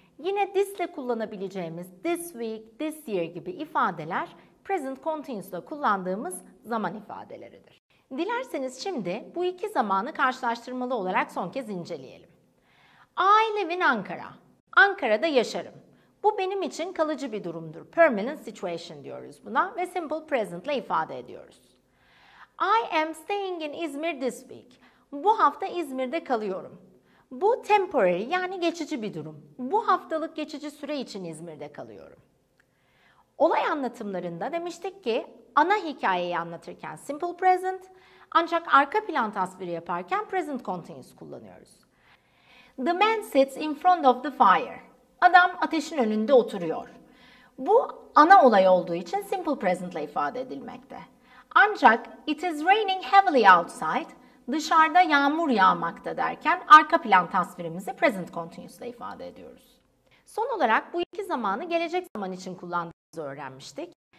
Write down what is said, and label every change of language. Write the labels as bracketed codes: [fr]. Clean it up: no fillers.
[tr] Yine this ile kullanabileceğimiz this week, this year gibi ifadeler present continuous ile kullandığımız zaman ifadeleridir. Dilerseniz şimdi bu iki zamanı karşılaştırmalı olarak son kez inceleyelim. [en] I live in Ankara. [tr] Ankara'da yaşarım. Bu benim için kalıcı bir durumdur. Permanent situation diyoruz buna ve simple present ile ifade ediyoruz. [en] I am staying in İzmir this week. [tr] Bu hafta İzmir'de kalıyorum. Bu temporary yani geçici bir durum. Bu haftalık geçici süre için İzmir'de kalıyorum. Olay anlatımlarında demiştik ki ana hikayeyi anlatırken simple present ancak arka plan tasviri yaparken present continuous kullanıyoruz. [en] The man sits in front of the fire. [tr] Adam ateşin önünde oturuyor. Bu ana olay olduğu için simple present ile ifade edilmekte. Ancak [en] it is raining heavily outside, [tr] dışarıda yağmur yağmakta derken arka plan tasvirimizi present continuous ile ifade ediyoruz. Son olarak bu iki zamanı gelecek zaman için kullandığımızı öğrenmiştik.